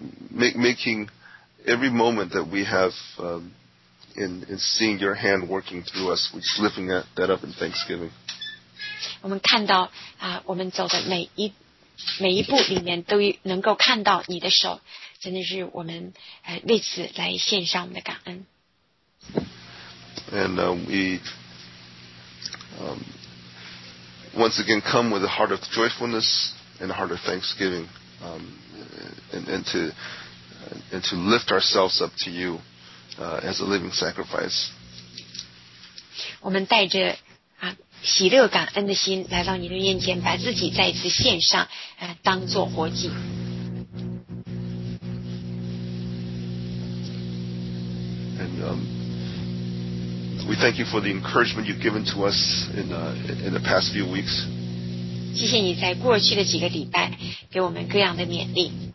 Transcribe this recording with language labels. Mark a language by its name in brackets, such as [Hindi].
[English] Making every moment that we have in seeing your hand working through us, we're just lifting that up in thanksgiving. [Chinese] 我们看到我们走的每一步里面都能够看到你的手，真的是我们为此来献上我们的感恩。 [English] And we once again come with a heart of joyfulness and a heart of thanksgiving, and to lift ourselves up to you as a living sacrifice. [Chinese] 我们带着喜乐感恩的心来到你的面前，把自己再一次献上，当作活祭。 [English] We thank you for the encouragement you've given to us in the past few weeks. [Chinese] 谢谢你在过去的几个礼拜给我们各样的勉励。